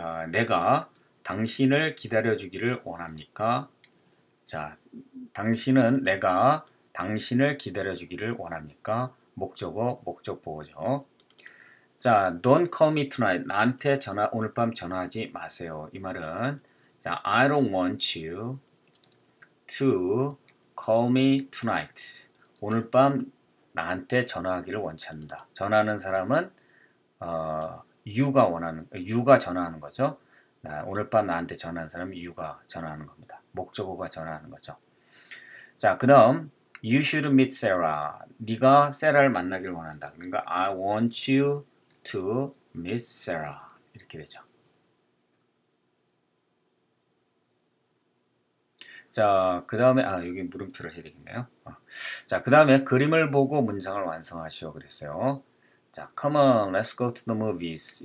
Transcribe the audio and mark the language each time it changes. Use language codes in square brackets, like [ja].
[ko] 내가 당신을 기다려 주기를 원합니까? 자, 내가 당신을 기다려 주기를 원합니까? 목적어, 목적보호죠. [en] 자, don't call me tonight. [ko] 나한테 오늘 밤 전화하지 마세요. 이 말은, [en] 자, I don't want you to call me tonight. [ko] 오늘 밤 나한테 전화하기를 원치 않는다. 전화하는 사람은, you가 전화하는 거죠. 오늘 밤 나한테 전화하는 사람은 you가 전화하는 겁니다. 목적어가 전화하는 거죠. [en] 자, [ko] 그 다음, [en] you should meet Sarah. [ko] 네가 세라를 만나길 원한다. [en] 그러니까, I want you to meet Sarah. [ko] 이렇게 되죠. 자, 그 다음에, 여기 물음표를 해야 되겠네요. 자, 그 다음에 그림을 보고 문장을 완성하시오. 그랬어요. [en] 자, come on, let's go to the movies.